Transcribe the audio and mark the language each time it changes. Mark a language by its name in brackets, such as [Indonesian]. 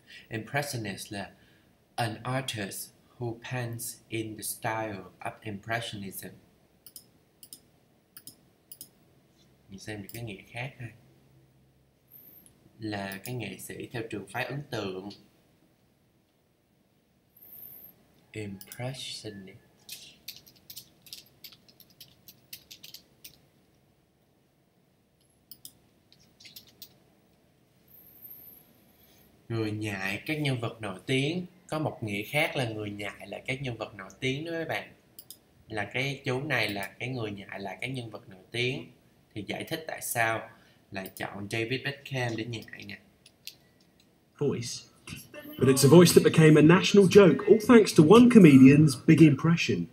[English] Impressionist [Vietnamese] là [English] an artist who paints in the style of impressionism. [Vietnamese] Mình xem được cái nghĩa khác ha. Là cái nghệ sĩ theo trường phái ấn tượng. [English] Impressionist. [Vietnamese] Người nhại các nhân vật nổi tiếng. Có một nghĩa khác là người nhại là các nhân vật nổi tiếng đó mấy bạn. Là cái chú này là cái người nhại là các nhân vật nổi tiếng. Thì giải thích tại sao lại chọn David Beckham để nhại nè. [English] Voice. But it's a voice that became a national joke, all thanks to one comedian's big impression.